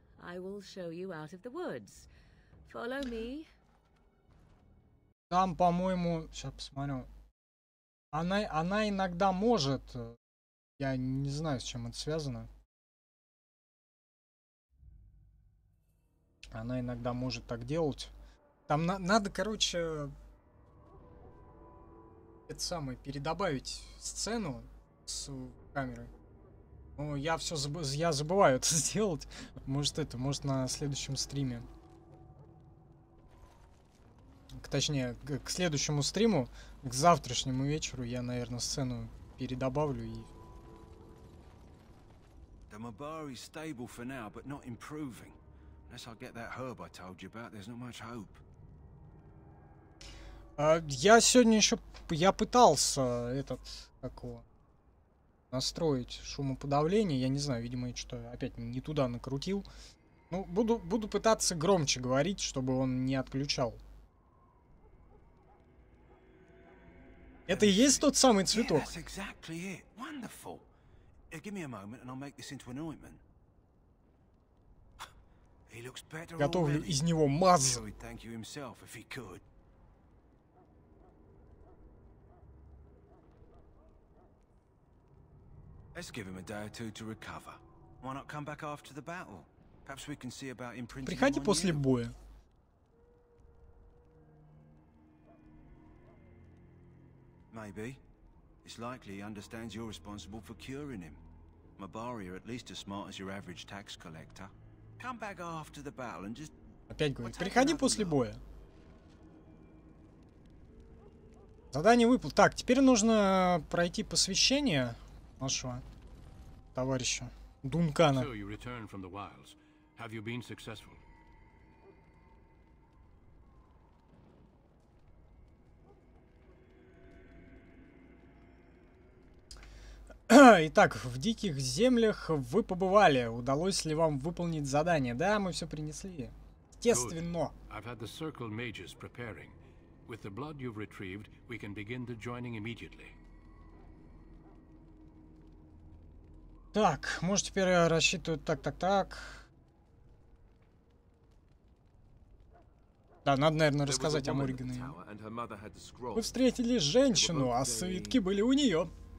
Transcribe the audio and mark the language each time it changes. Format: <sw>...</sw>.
<en>I will show you out of the woods. Follow me.</en> <ru>Там, по-моему, сейчас посмотрю. Она иногда может. Я не знаю, с чем это связано. Она иногда может так делать. Там надо, короче, это самое, передобавить сцену с камерой. Ну, я все забываю это сделать. Может на следующем стриме. К следующему стриму, к завтрашнему вечеру я, наверное, сцену передобавлю и...</ru> <en>The Mabari stable for now, but not improving. Unless I get that herb I told you about, there's not much hope.</en> <ru>Я сегодня еще пытался этот настроить шумоподавление. Я не знаю, видимо, я что-то опять не туда накрутил. Ну, буду пытаться громче говорить, чтобы он не отключал. Это и есть тот самый цветок.</ru> <en>Yeah, exactly it. Wonderful. Give me a moment, and I'll make this into an ointment.</en> <ru>Готовлю из него мазь.</ru> <en>Let's give him a day or two to recover. Why not come back after the battle? Perhaps we can see about imprinting.</en> <ru>Приходи после боя.</ru> <en>Maybe. It's likely he understands you're responsible for curing him. Mabari are at least as smart as your average tax collector. Come back after the battle and just...</en> <ru>Опять говорит, приходи после боя. Задание выполнено. Так, теперь нужно пройти посвящение нашего товарища Дункана.</ru> <en>So you return from the wilds. Have you been successful?</en> <ru>Итак, в диких землях вы побывали. Удалось ли вам выполнить задание? Да, мы все принесли. Естественно.</ru> <en>I've had the circle mages preparing. With the blood you've retrieved, we can begin the joining immediately.</en> <ru>Так, может теперь я рассчитываю... Так. Да, надо, наверное, рассказать о Моригане. Мы встретили женщину, а свитки были у нее.</ru>